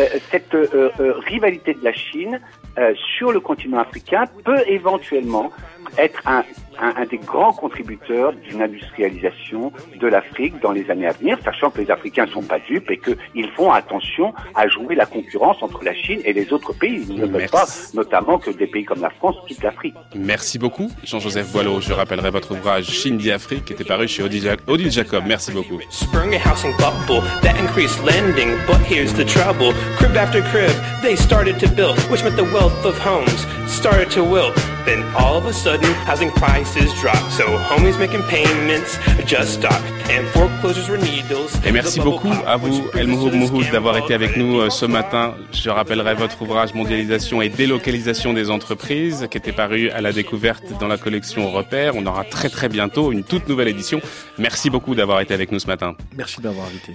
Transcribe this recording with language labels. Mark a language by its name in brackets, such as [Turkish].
[French] Cette rivalité de la Chine sur le continent africain peut éventuellement être un des grands contributeurs d'une industrialisation de l'Afrique dans les années à venir, sachant que les Africains ne sont pas dupes et qu'ils font attention à jouer la concurrence entre la Chine et les autres pays. Ils ne veulent pas, notamment, que des pays comme la France quittent l'Afrique. Merci beaucoup, Jean-Joseph Boileau. Je rappellerai votre ouvrage « Chine dit Afrique » qui était paru chez Odile Jacob. Merci beaucoup. [English] Sprung a housing bubble that increased lending, but here's the trouble. Crib after crib, they started to build, which meant the wealth of homes started to wilt. Then all of a sudden, housing prices drop. So homies making payments just stop. And foreclosures were needles. [French] Et merci beaucoup à vous, Helmut Mohud, d'avoir été avec nous ce matin. Je rappellerai votre ouvrage Mondialisation et délocalisation des entreprises, qui était paru à la découverte dans la collection Repères. On aura très très bientôt une toute nouvelle édition. Merci beaucoup d'avoir été avec nous ce matin. Merci d'avoir invité.